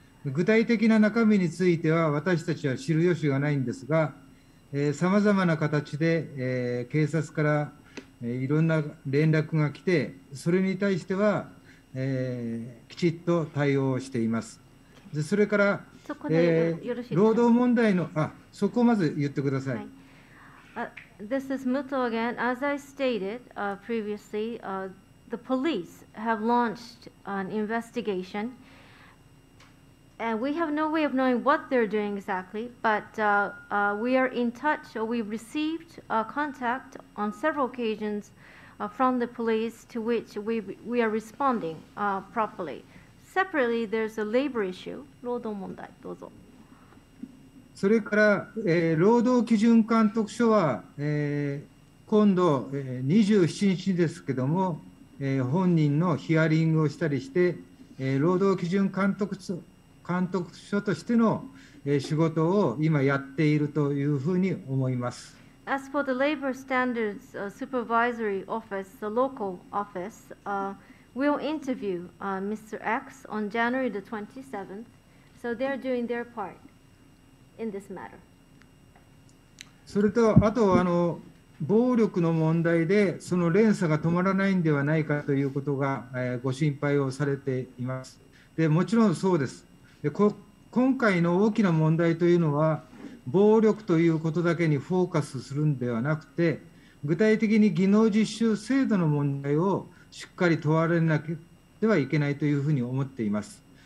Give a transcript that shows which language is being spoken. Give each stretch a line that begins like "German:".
Japanese: 具体的な中身については、私たちは知る由がないんですが、さまざまな形で、警察から、いろんな連絡が来て、それに対しては、きちっと対応しています。でそれから労働問題のそこをまず言ってください。
English: This is Muto again. As I stated previously, the police have launched an investigation and we have no way of knowing what they're doing exactly, but we are in touch, or we received contact on several occasionsfrom the police to which we are responding properly. Separately, there's a labor issue.
Japanese: 労働問題、どうぞ。それから、労働基準監督署は、今度、27日ですけども、本人のヒアリングをしたりして、労働基準監督署としての、仕事を今やっているというふうに思います。
English: As for the Labor Standards Supervisory Office, the local office, we'll interview Mr. X on January the 27th. So they're doing their part in this matter.
Japanese: それとあとあの暴力の問題でその連鎖が止まらないのではないかということが、ご心配をされています。でもちろんそうです。で今回の大きな問題というのは暴力ということだけにフォーカスするのではなくて、具体的に技能実習制度の問題をしっかり問われなければいけないというふうに思っています。